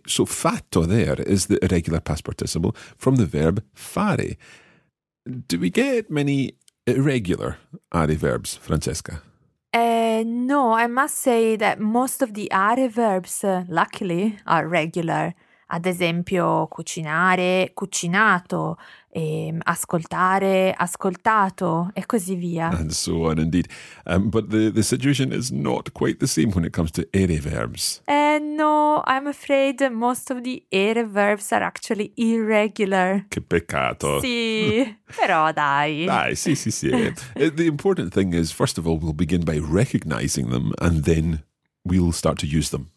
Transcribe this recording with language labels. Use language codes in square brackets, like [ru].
[en] So fatto there is the irregular past participle from the verb fare. Do we get many irregular are verbs, Francesca? No, I must say that most of the are verbs, luckily, are regular. [it] Ad esempio, cucinare, cucinato, ascoltare, ascoltato, e così via. [en] And so on, indeed. But the situation is not quite the same when it comes to ere verbs. No, I'm afraid most of the ere verbs are actually irregular. [it] Che peccato. Sì, però dai. Dai, sì, sì, sì. [en] The important thing is, first of all, we'll begin by recognizing them and then we'll start to use them.